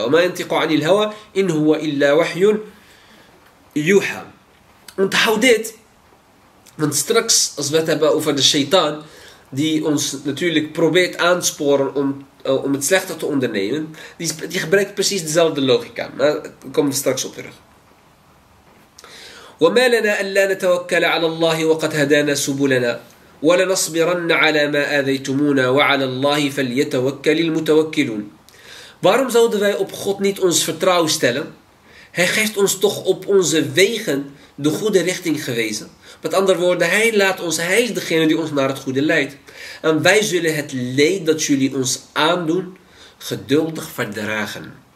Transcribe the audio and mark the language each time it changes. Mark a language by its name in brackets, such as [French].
[Arabic] Wa ma yantiqu 'anil hawa in huwa illa wahyun yuha. [Dutch] Onthoud dit, want straks als we het hebben over de shaitaan die ons natuurlijk probeert aansporen om het slechte te ondernemen, die gebruikt precies dezelfde logica. Maar daar komen we straks op terug. [Arabic] وما لنا ألا نتوكل على الله وقد هدانا سبلنا ولنصبرن على ما آذيتمونا وعلى الله فليتوكل المتوكلون. [Dutch] Waarom zouden wij op God niet ons vertrouwen stellen? Hij geeft ons toch op onze wegen de goede richting gewezen. Met andere woorden, hij laat ons, hij is degene die ons naar het goede leidt. En wij zullen het leed dat jullie ons aandoen geduldig verdragen.